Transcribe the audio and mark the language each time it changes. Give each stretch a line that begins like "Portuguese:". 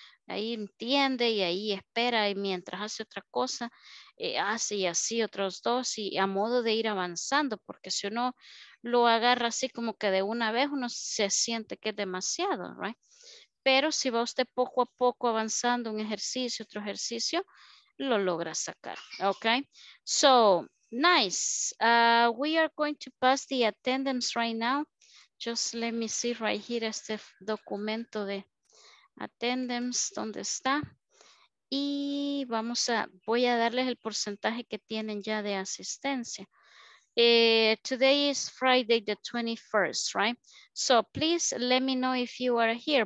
Spanish: Ahí entiende y ahí espera y mientras hace otra cosa, hace y así otros dos y a modo de ir avanzando, porque si uno lo agarra así como que de una vez, uno se siente que es demasiado, right? Pero si va usted poco a poco avanzando un ejercicio, otro ejercicio, lo logra sacar, ok?
English: So, nice. We are going to pass the attendance right now. Just let me see right here
Spanish: este documento de attendance, ¿dónde está? Y vamos a, voy a darles el porcentaje que tienen ya de asistencia.
English: Today is Friday the 21st, right? So please let me know if you are here.